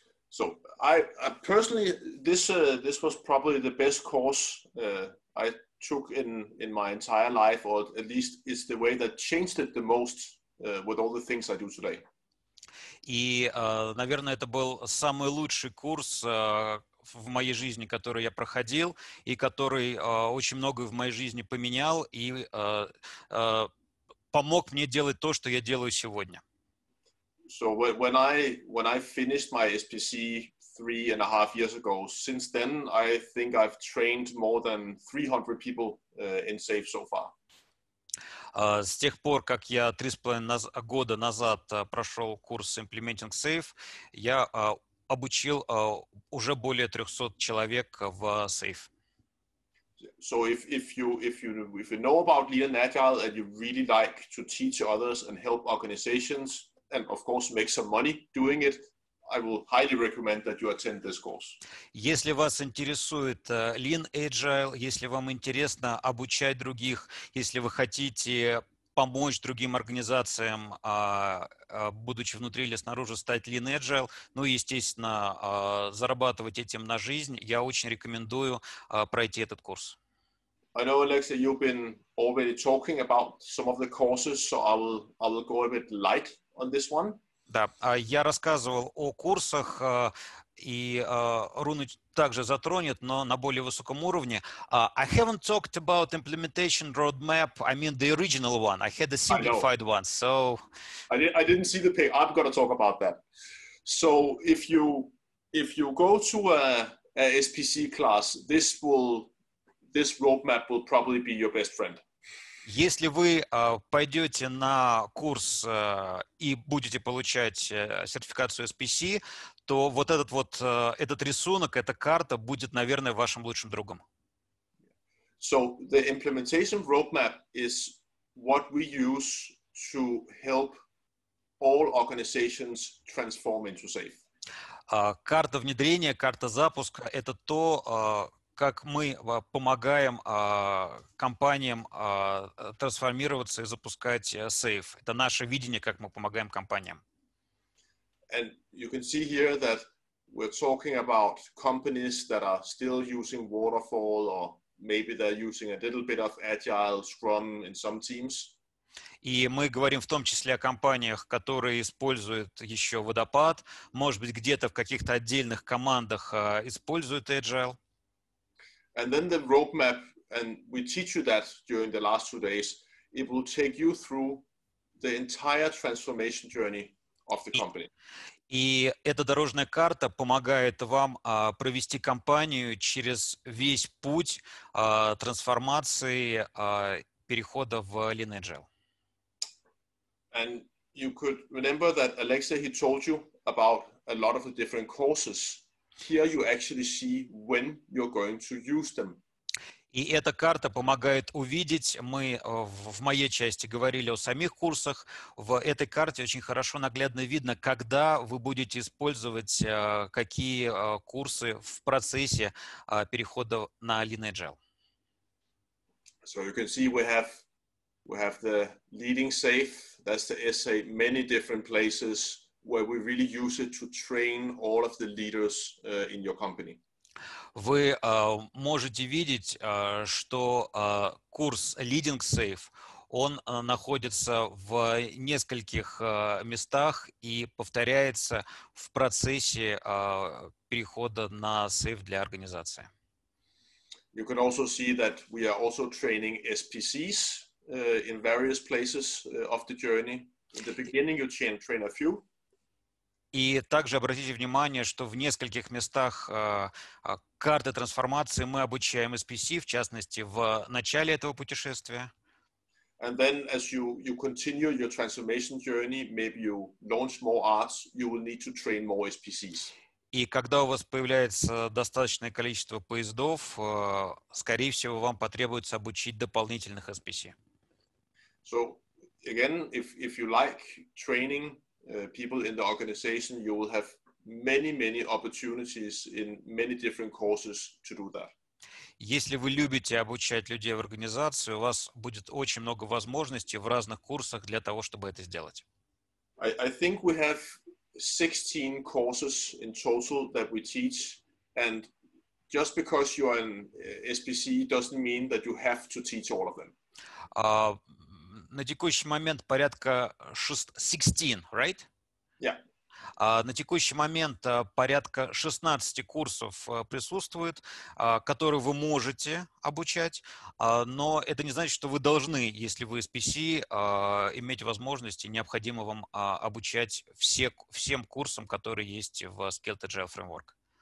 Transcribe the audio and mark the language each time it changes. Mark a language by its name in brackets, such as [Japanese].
[English] So, I personally, this was probably the best course I took in my entire life, or at least it's the way that changed it the most with all the things I do today. [Russian] И, наверное, это был самый лучший курс в моей жизни, который я проходил, и который очень многое в моей жизни поменял и помог мне делать то, что я делаю сегодня. [English] So when I finished my SPC 3.5 years ago, since then I think I've trained more than 300 people in SAFe so far. [Russian] С тех пор, как я 3.5 года назад прошел курс Implementing SAFe, я обучил уже более 300 человек в SAFe. [English] So if you know about Lean and Agile and you really like to teach others and help organizations and of course make some money doing it, I will highly recommend that you attend this course. [Russian] Если вас интересует Lean Agile, если вам интересно обучать других, если вы хотите помочь другим организациям, будучи внутри или снаружи, стать Lean Agile, ну и, естественно, зарабатывать этим на жизнь, я очень рекомендую пройти этот курс. [English] I know, Alexey, you've been already talking about some of the courses, so I will go a bit light on this one. [Russian] Да, я рассказывал о курсах, и Руна также затронет, но на более высоком уровне. [English] I haven't talked about implementation roadmap. I mean the original one. I had the simplified one. So I didn't see the page. I've got to talk about that. So if you go to a SPC class, this roadmap will probably be your best friend. [Russian] Если вы пойдете на курс и будете получать сертификацию SPC, то вот этот вот этот рисунок, эта карта будет, наверное, вашим лучшим другом. [English] So the implementation roadmap is what we use to help all organizations transform into SAFe. [Russian] Карта внедрения, карта запуска — это то, как мы помогаем компаниям трансформироваться и запускать SAFe. Это наше видение, как мы помогаем компаниям. [English] And you can see here that we're talking about companies that are still using waterfall or maybe they're using a little bit of agile scrum in some teams. [Russian] И мы говорим в том числе о компаниях, которые используют еще водопад, может быть, где-то в каких-то отдельных командах используют agile. [English] And then the roadmap, and we teach you that during the last 2 days, it will take you through the entire transformation journey of the company. [Russian] И эта дорожная карта помогает вам провести компанию через весь путь трансформации перехода в Lean Agile. [English] And you could remember that Alexey, he told you about a lot of the different courses. Here you actually see when you're going to use them. [Russian] И эта карта помогает увидеть, мы в моей части говорили о самих курсах, в этой карте очень хорошо наглядно видно, когда вы будете использовать какие курсы в процессе перехода на Lean Agile. [English] So you can see we have the Leading SAFe, that's the essay, many different places where we really use it to train all of the leaders in your company. [Russian] Вы можете видеть, что курс Leading Safe, он находится в нескольких местах и повторяется в процессе перехода на сейф для организации. [English] You can also see that we are also training SPCs in various places of the journey. In the beginning, you train a few. [Russian] И также обратите внимание, что в нескольких местах карты трансформации мы обучаем SPC, в частности, в начале этого путешествия. [English] And then as you continue your transformation journey, maybe you launch more arts, you will need to train more SPCs. [Russian] И когда у вас появляется достаточное количество поездов, скорее всего, вам потребуется обучить дополнительных SPC. [English] So, again, if you like training people in the organization, you will have many, many opportunities in many different courses to do that. [Russian] Если вы любите обучать людей в организации, у вас будет очень много возможностей в разных курсах для того, чтобы это сделать. [English] I think we have 16 courses in total that we teach, and just because you are an SPC doesn't mean that you have to teach all of them. [Russian] На текущий момент порядка 16, [English] right? Yeah. [Russian] На текущий момент порядка 16 курсов присутствует, которые вы можете обучать, но это не значит, что вы должны, если вы SPC, иметь возможность и необходимо вам обучать всем курсам, которые есть в Scaled Agile Framework.